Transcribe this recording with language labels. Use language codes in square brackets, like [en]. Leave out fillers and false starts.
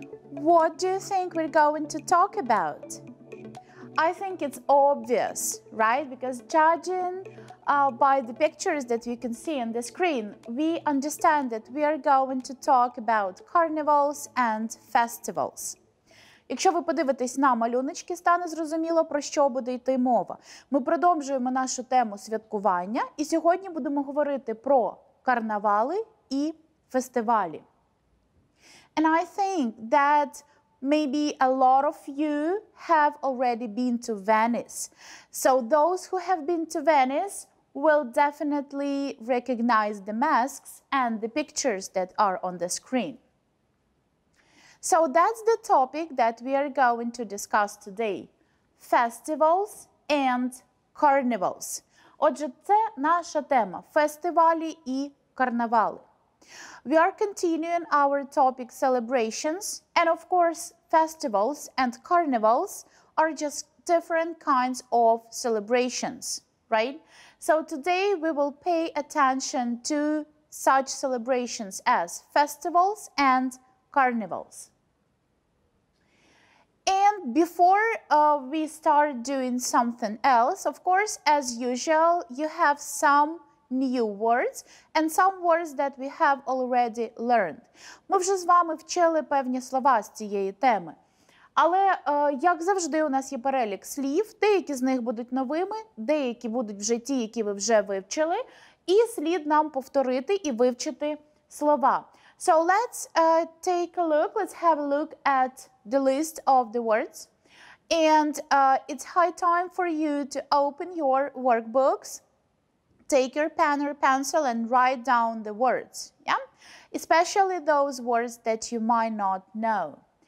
[en] What do you think we're going to talk about? I think it's obvious, right? Because judging by the pictures that you can see on the screen, we understand that we are going to talk about carnivals and festivals. [uk] Якщо ви подивитесь на малюночки, стане зрозуміло, про що буде йти мова. Ми продовжуємо нашу тему святкування, і сьогодні будемо говорити про карнавали і фестивалі. [en] And I think that maybe a lot of you have already been to Venice. So those who have been to Venice will definitely recognize the masks and the pictures that are on the screen. So that's the topic that we are going to discuss today. Festivals and carnivals. [uk] Отже, це наша тема – фестивалі і карнавали. [en] We are continuing our topic celebrations, and of course, festivals and carnivals are just different kinds of celebrations, right? So today we will pay attention to such celebrations as festivals and carnivals. And before we start doing something else, of course, as usual, you have some new words and some words that we have already learned. [uk] Ми вже з вами вчили певні слова з цієї теми. Але, як завжди, у нас є перелік слів. Деякі з них будуть новими, деякі будуть вже ті, які ви вже вивчили. І слід нам повторити і вивчити слова. [en] So let's take a look, let's have a look at the list of the words. And it's high time for you to open your workbooks, take your pen or pencil and write down the words, yeah? Especially those words that you might not know.